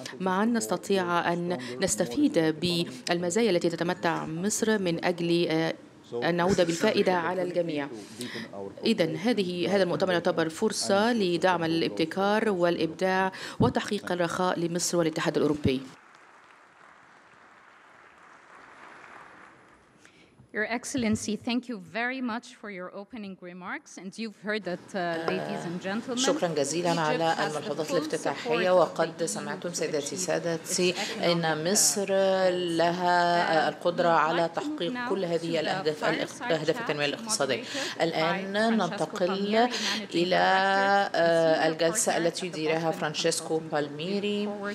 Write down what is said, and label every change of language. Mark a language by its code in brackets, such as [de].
[ar] معا نستطيع أن نستفيد بالمزايا التي تتمتع مصر من أجل أن نعود بالفائدة على الجميع. إذن هذا المؤتمر يعتبر فرصة لدعم الابتكار والإبداع وتحقيق الرخاء لمصر والاتحاد الأوروبي. [en] Your Excellency, thank you very much for your opening remarks, and you've heard that, ladies and gentlemen. [ar] شكرا جزيلا على الملاحظات الافتتاحية، وقد سمعتم سيداتي سادتي أن مصر لها القدرة على تحقيق كل هذه الأهداف، أهداف التنمية الاقتصادية. الآن ننتقل إلى الجلسة التي يديرها فرانشيسكو بالميري.